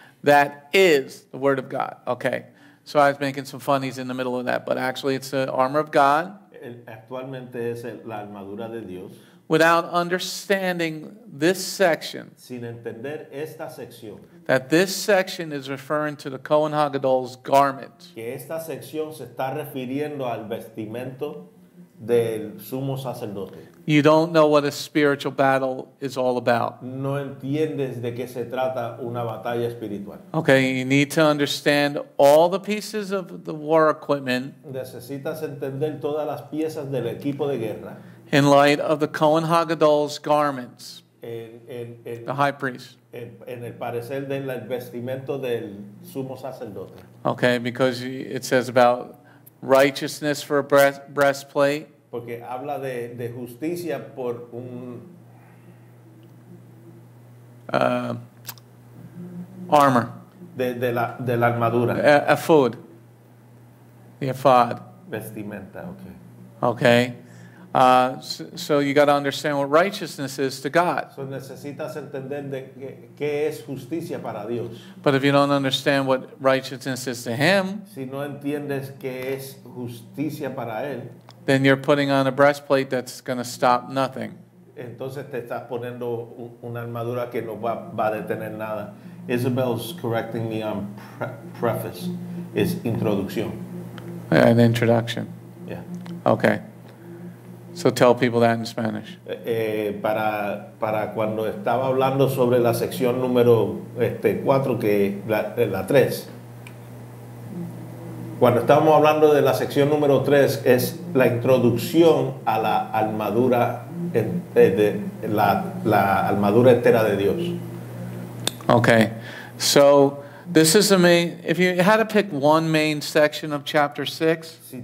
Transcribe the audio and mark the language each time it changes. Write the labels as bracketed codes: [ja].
[en] That is the word of God. Okay. So I was making some funnies in the middle of that, but actually it's the armor of God. [es] Actualmente es la armadura de Dios. [en] Without understanding this section, [es] sin entender esta sección, [en] that this section is referring to the Kohen HaGadol's garment. [es] Que esta sección se está refiriendo al vestimento del sumo sacerdote. [en] You don't know what a spiritual battle is all about. [es] No entiendes de qué se trata una batalla espiritual. [en] Okay, you need to understand all the pieces of the war equipment. [es] Necesitas entender todas las piezas del equipo de guerra. [en] In light of the Kohen HaGadol's garments. [es] En [en] the high priest. [es] En el parecer del vestimento del sumo sacerdote. [en] Okay, because it says about righteousness for a breastplate. [es] Porque habla de justicia por un [en] armor. [es] De la armadura. [en] Ephod. The ephod. [es] Vestimenta, okay. [en] Okay. So you got to understand what righteousness is to God. [es] So necesitas entender de qué es justicia para Dios. [en] But if you don't understand what righteousness is to Him, [es] si no entiendes qué es justicia para él, [en] then you're putting on a breastplate that's going to stop nothing. [es] Entonces te estás poniendo una armadura que no va a detener nada. [en] Isabel's correcting me on preface. It's introducción. An introduction. Yeah. Okay. So tell people that in Spanish. [es] Para cuando estaba hablando sobre la sección número 4, que la 3. Cuando estábamos hablando de la sección número 3, es la introducción a la armadura, la armadura entera de Dios. [en] Okay. So this is the main, if you had to pick one main section of chapter 6.